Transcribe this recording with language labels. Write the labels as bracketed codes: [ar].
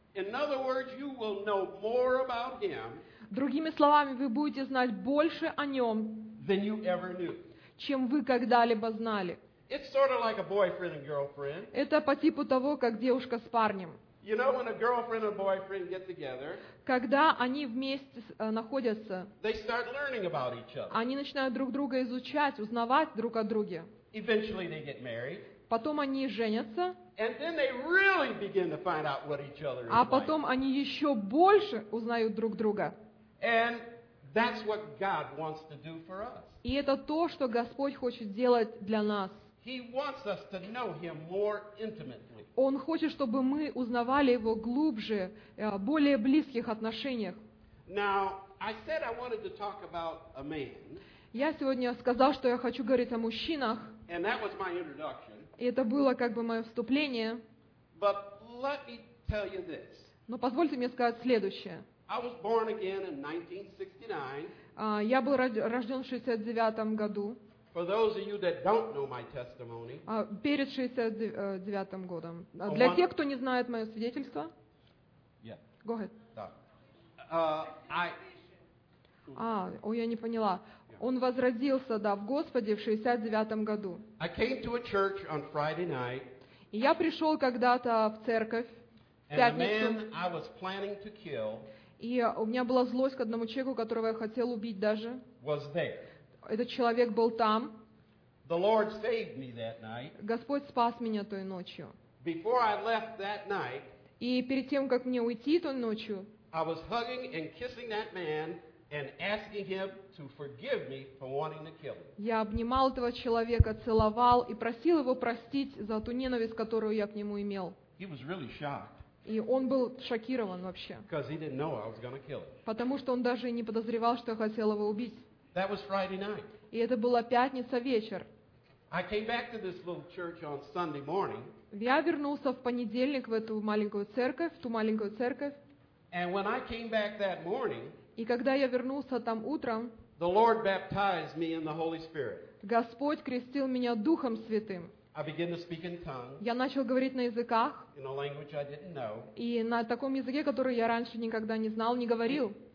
[en] In other words, you will know more about him. [ru] Другими словами, вы будете знать больше о нем, [en] than you ever knew. [ru] Чем вы когда-либо знали. [en] It's sort of like a boyfriend and girlfriend. [ru] Это по типу того, как девушка с парнем. [en] You know, when a girlfriend and boyfriend get together, [ru] когда они вместе находятся, [en] they start learning about each other. [ru] Они начинают друг друга изучать, узнавать друг о друге. [en] Eventually they get married. [ru] Потом они женятся. [en] And then they really begin to find out what each other is like. [ru] А потом они еще больше узнают друг друга. [en] And that's what God wants to do for us. [ru] И это то, что Господь хочет делать для нас. [en] He wants us to know him more intimately. [ru] Он хочет, чтобы мы узнавали его глубже, более близких отношениях. [en] Now, I said I wanted to talk about a man. [ru] Я сегодня сказал, что я хочу говорить о мужчинах. [en] And that was my introduction. [ru] И это было как бы мое вступление. [en] But let me tell you this. [ru] Но позвольте мне сказать следующее. [en] I was born again in 1969. [ru] Я был рожден в 69-м году. [en] For those of you that don't know my testimony, [ru] перед 69-м годом. Для тех, кто не знает мое свидетельство. [en] Yeah. Go ahead. [ru] Я не поняла. Он возродился, да, в Господе в 69-м году. [en] I came to a church on Friday night. [ru] И я пришел когда-то в церковь. [en] And the man I was planning to kill. [ru] И у меня была злость к одному человеку, которого я хотел убить даже. [en] Was there. [ru] Этот человек был там. [en] The Lord saved me that night. [ru] Господь спас меня той ночью. [en] Before I left that night. [ru] И перед тем, как мне уйти той ночью. [en] I was hugging and kissing that man. And asking him to forgive me for wanting to kill him. [ru] Я обнимал этого человека, целовал и просил его простить за ту ненависть, которую я к нему имел. [en] He was really shocked. [ru] И он был шокирован вообще. [en] Because he didn't know I was going to kill him. [ru] Потому что он даже и не подозревал, что я хотел его убить. [en] That was Friday night. [ru] И это была пятница вечер. [en] I came back to this little church on Sunday morning. [ru] Я вернулся в понедельник в эту маленькую церковь, в ту маленькую церковь. [en] And when I came back that morning. [ru] И когда я вернулся там утром, [en] the Lord baptized me in the Holy Spirit. [ru] Господь крестил меня Духом Святым. [en] I began to speak in tongues, [ru] я начал говорить на языках, [en] in a language I didn't know. [ru] И на таком языке, который я раньше никогда не знал, не говорил.